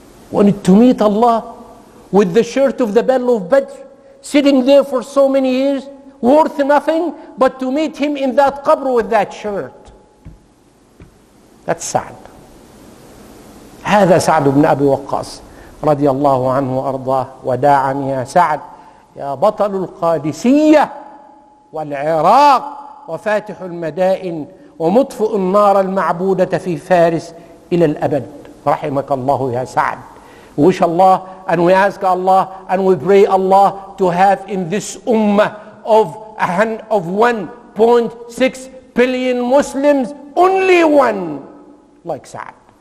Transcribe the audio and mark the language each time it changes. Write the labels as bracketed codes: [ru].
[en] Wanted to meet Allah with the shirt of the battle of Badr. Sitting there for so many years, worth nothing but to meet him in that qabr with that shirt. That's sad. [ar] هذا سعد بن أبي وقاص رضي الله عنه وأرضاه. وداعا يا سعد يا بطل القادسية والعراق وفاتح المدائن ومطفئ النار المعبودة في فارس إلى الأبد، رحمك الله يا سعد. وش الله [en] and we ask Allah and we pray Allah to have in this ummah of 1.6 billion Muslims only one like Sa'd.